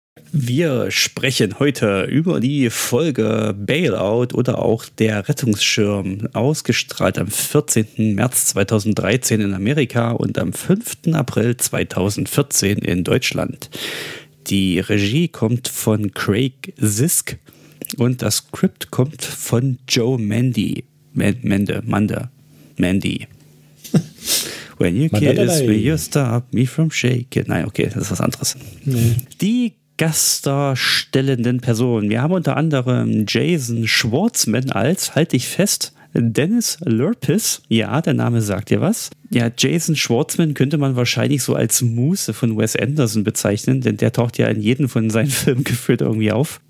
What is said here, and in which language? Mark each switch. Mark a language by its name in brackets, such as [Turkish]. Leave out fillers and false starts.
[German] Wir sprechen heute über die Folge Bailout oder auch der Rettungsschirm, ausgestrahlt am 14. März 2013 in Amerika und am 5. April 2014 in Deutschland. Die Regie kommt von Craig Zisk und das Skript kommt von Joe Mandy. Mandy. [English] When you kiss me, you stop me from shaking. [German] Nein, okay, das ist was anderes. Nee. Die gastdarstellenden Personen. Wir haben unter anderem Jason Schwartzman als, halt dich fest, Dennis Lurpis. Ja, der Name sagt dir was. Ja, Jason Schwartzman könnte man wahrscheinlich so als Muse von Wes Anderson bezeichnen, denn der taucht ja in jedem von seinen Filmen gefühlt irgendwie auf.